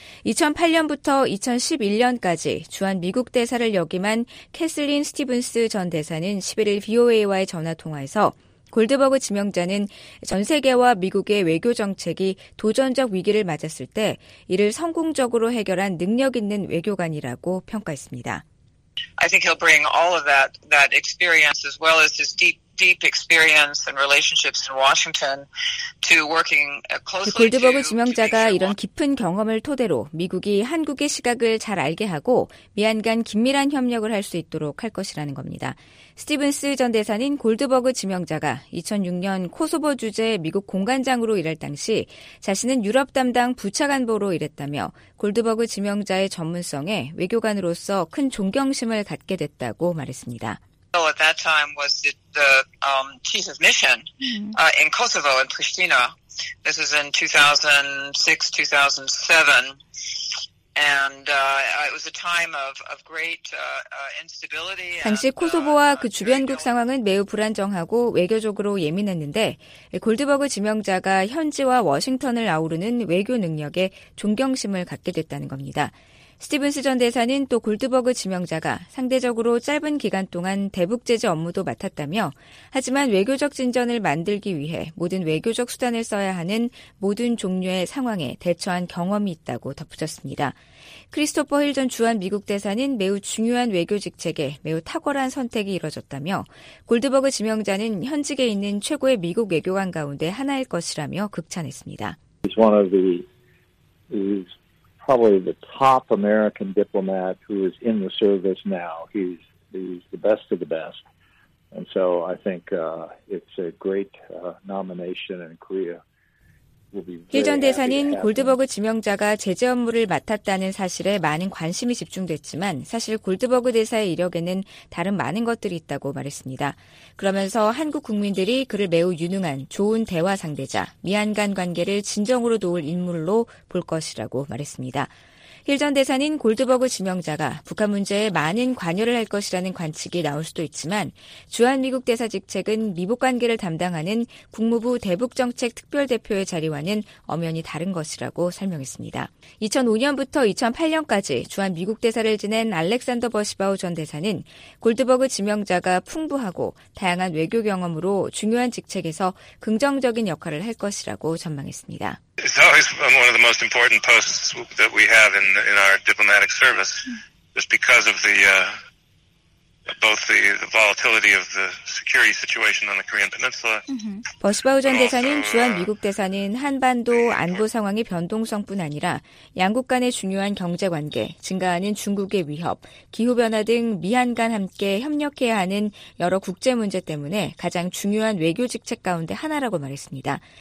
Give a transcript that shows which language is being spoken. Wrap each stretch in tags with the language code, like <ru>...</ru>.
<ko>2008년부터 2011년까지 주한미국 대사를 역임한 캐슬린 스티븐스 전 대사는 11일 VOA와의 전화통화에서 골드버그 지명자는 전 세계와 미국의 외교 정책이 도전적 위기를 맞았을 때 이를 성공적으로 해결한 능력 있는 외교관이라고 평가했습니다.</ko> <en>I think he'll bring all of that experience as well as his deep experience and relationships in Washington to working closely with</en> <ko>골드버그 지명자가 이런 깊은 경험을 토대로 미국이 한국의 시각을 잘 알게 하고 미한 간 긴밀한 협력을 할 수 있도록 할 것이라는 겁니다. 스티븐스 전 대사는 골드버그 지명자가 2006년 코소보 주재 미국 공관장으로 일할 당시 자신은 유럽 담당 부차관보로 일했다며 골드버그 지명자의 전문성에 외교관으로서 큰 존경심을 갖게 됐다고 말했습니다.</ko> <en>So at that time was the chief of mission in Kosovo in Pristina. This was in</en> <ko>당시 코소보와 그 주변국 상황은 매우 불안정하고 외교적으로 예민했는데 골드버그 지명자가 현지와 워싱턴을 아우르는 외교 능력에 존경심을 갖게 됐다는 겁니다. 스티븐스 전 대사는 또 골드버그 지명자가 상대적으로 짧은 기간 동안 대북제재 업무도 맡았다며 하지만 외교적 진전을 만들기 위해 모든 외교적 수단을 써야 하는 모든 종류의 상황에 대처한 경험이 있다고 덧붙였습니다. 크리스토퍼 힐 전 주한미국 대사는 매우 중요한 외교 직책에 매우 탁월한 선택이 이뤄졌다며 골드버그 지명자는 현직에 있는 최고의 미국 외교관 가운데 하나일 것이라며 극찬했습니다.</ko> <en>He's one of the probably the top American diplomat who is in the service now. He's the best of the best. And so I think it's a great nomination and Korea.</en> <ko>힐 전 대사는 골드버그 지명자가 제재 업무를 맡았다는 사실에 많은 관심이 집중됐지만 사실 골드버그 대사의 이력에는 다른 많은 것들이 있다고 말했습니다. 그러면서 한국 국민들이 그를 매우 유능한 좋은 대화 상대자, 미한 간 관계를 진정으로 도울 인물로 볼 것이라고 말했습니다. 힐 전 대사는 골드버그 지명자가 북한 문제에 많은 관여를 할 것이라는 관측이 나올 수도 있지만 주한미국 대사 직책은 미북 관계를 담당하는 국무부 대북정책특별대표의 자리와는 엄연히 다른 것이라고 설명했습니다. 2005년부터 2008년까지 주한미국 대사를 지낸 알렉산더 버시바우 전 대사는 골드버그 지명자가 풍부하고 다양한 외교 경험으로 중요한 직책에서 긍정적인 역할을 할 것이라고 전망했습니다.</ko> <en>It's always one of the most important posts that we have in our diplomatic service, just because of the both the volatility of the security situation on the Korean Peninsula.</en> <ko>버시바우 전 대사는 주한 미국 대사는 한반도 안보 상황의 변동성뿐 아니라 양국 간의 중요한 경제 관계, 증가하는 중국의 위협, 기후 변화 등 미한 간 함께 협력해야 하는 여러 국제 문제 때문에 가장 중요한 외교 직책 가운데 하나라고 말했습니다.</ko>